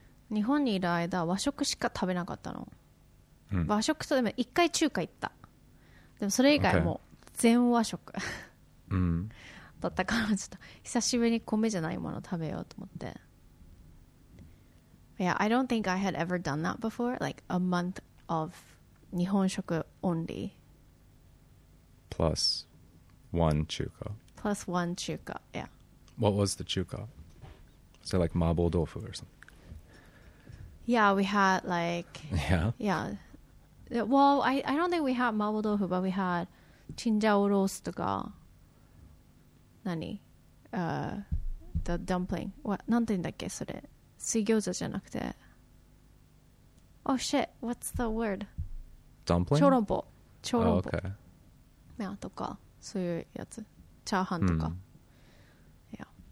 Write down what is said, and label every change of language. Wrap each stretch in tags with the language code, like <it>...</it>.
<ja>日本にいる間和食しか食べなかったの。和食とでも一回中華行った。でもそれ以外も全和食。だったからちょっと久しぶりに米じゃないもの食べようと思って。</ja> <en>Yeah, I don't think I had ever done that before. Like a month of 日本食 only. Plus one chuka. Plus one chuka, yeah. What was the chuka? Was it like mabo tofu or something? Yeah, we had like... Yeah? Yeah. Well, I don't think we had mabo tofu, but we had chinjao roast</en> <ja>とか nani?</ja> <en>The dumpling. What?</en> <ja>なんて言うんだっけ、それ。水餃子じゃなくて。</ja> <en>Oh shit, what's the word? Dumpling?</en> <ja>小籠包。小籠包。</ja> <en>Oh, okay. Yeah,</en> <ja>とか、そういうやつ。チャーハンとか。Yeah.</ja>